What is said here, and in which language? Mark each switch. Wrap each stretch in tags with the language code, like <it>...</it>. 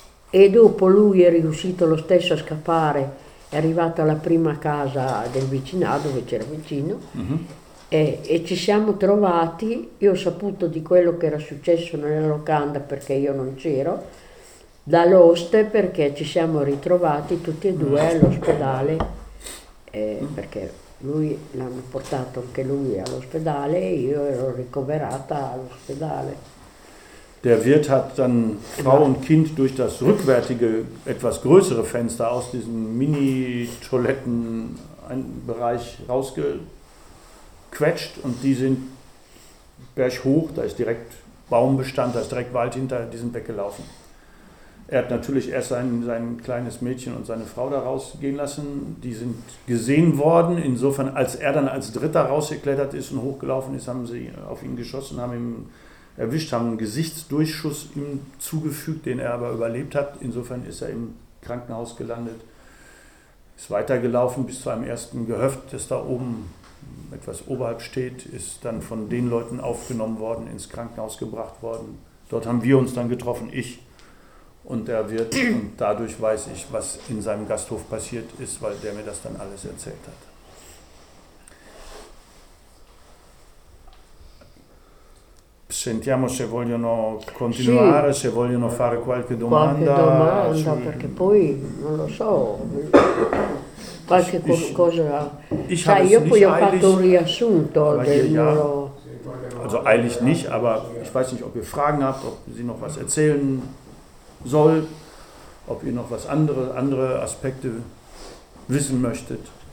<it>E dopo lui è riuscito lo stesso a scappare, è arrivato alla prima casa del vicinato, dove c'era vicino, e ci siamo trovati, io ho saputo di quello che era successo nella locanda perché io non c'ero, dall'host, perché ci siamo ritrovati tutti e due all'ospedale, perché lui l'hanno portato anche lui all'ospedale e io ero ricoverata all'ospedale.</it> <de>Der Wirt hat dann Frau und Kind durch das rückwärtige, etwas größere Fenster aus diesem Mini-Toilettenbereich rausgequetscht und die sind berghoch, da ist direkt Baumbestand, da ist direkt Wald hinter, die sind weggelaufen. Er hat natürlich erst sein kleines Mädchen und seine Frau da rausgehen lassen. Die sind gesehen worden. Insofern, als er dann als Dritter rausgeklettert ist und hochgelaufen ist, haben sie auf ihn geschossen, haben ihn erwischt, haben einen Gesichtsdurchschuss ihm zugefügt, den er aber überlebt hat. Insofern ist er im Krankenhaus gelandet, ist weitergelaufen bis zu einem ersten Gehöft, das da oben etwas oberhalb steht, ist dann von den Leuten aufgenommen worden, ins Krankenhaus gebracht worden. Dort haben wir uns dann getroffen, ich und der Wirt, und dadurch weiß ich, was in seinem Gasthof passiert ist, weil der mir das dann alles erzählt hat.</de> <it>Sentiamo se vogliono continuare, sì, se vogliono fare qualche domanda. Qualche domanda, perché poi non lo so, qualche cosa. Sai, io poi ho fatto un riassunto del loro.</it> <de>Also eilig nicht, aber ich weiß nicht, ob ihr Fragen habt, ob sie noch was erzählen soll, ob ihr noch was andere Aspekte wissen möchtet.</de>